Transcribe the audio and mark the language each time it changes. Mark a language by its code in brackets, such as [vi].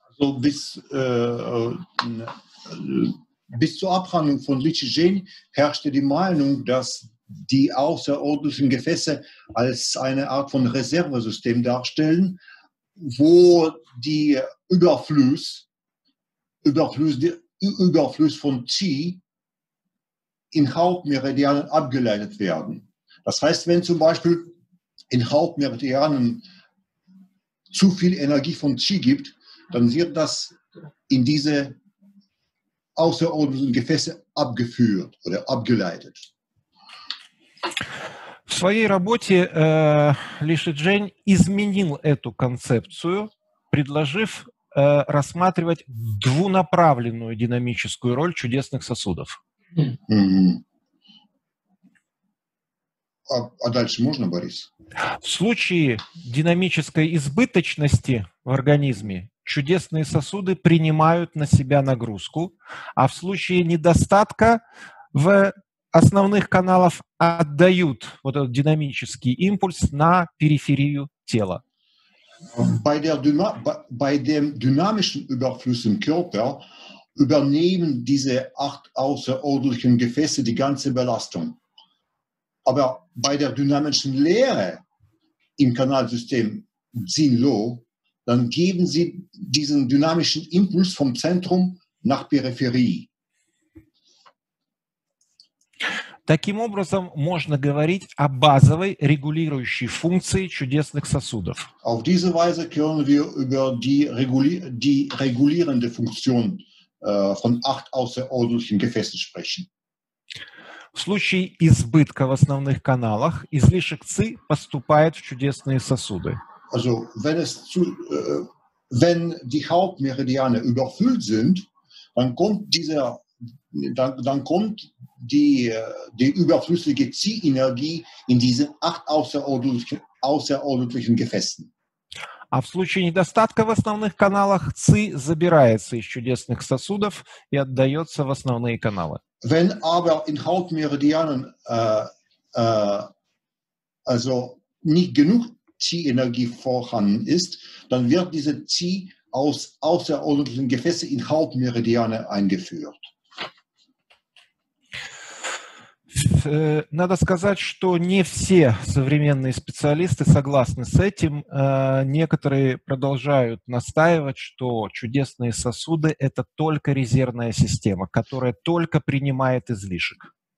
[de] Also, bis zur Abhandlung von Ли Шидженя herrschte die Meinung, dass die außerordentlichen Gefäße als eine Art von Reservesystem darstellen, wo die Überfluss von Qi in Hauptmeridianen abgeleitet werden. Das heißt, wenn zum Beispiel in Hauptmeridianen zu viel Energie von Qi gibt, dann wird das in diese außerordentlichen Gefäße abgeführt oder abgeleitet. [ru] В своей работе Ли Шидженя изменил эту концепцию, предложив рассматривать двунаправленную динамическую роль чудесных сосудов. А дальше можно, Борис? В случае динамической избыточности в организме чудесные сосуды принимают на себя нагрузку, а в случае недостатка в основных каналов отдают вот этот динамический импульс на периферию тела. [de] Bei dem dynamischen Überfluss im Körper übernehmen diese 8 außerordentlichen Gefäße die ganze Belastung. Aber bei der dynamischen Leere im Kanalsystem Xinlo, dann geben sie diesen dynamischen Impuls vom Zentrum nach Peripherie. [ru] Таким образом, можно говорить о базовой регулирующей функции чудесных сосудов. [de] Auf diese Weise können wir über die regulierende Funktion von 8 außerordentlichen Gefäßen sprechen. [ru] В случае избытка в основных каналах излишек ци поступает в чудесные сосуды. [de] Also, wenn es zu, wenn die Hauptmeridiane überfüllt sind, dann kommt dieser, dann kommt die überflüssige Ziehenergie in diese acht außerordentlichen Gefäßen. [ru] А в случае недостатка в основных каналах ци забирается из чудесных сосудов и отдается в основные каналы. [de] Wenn aber in Hauptmeridianen also nicht genug Ziehenergie vorhanden ist, dann wird diese Zieh aus außerordentlichen Gefäßen in Hauptmeridiane eingeführt. [ru] Надо сказать, что не все современные специалисты согласны с этим. Некоторые продолжают настаивать, что чудесные сосуды – это только резервная система, которая только принимает излишек.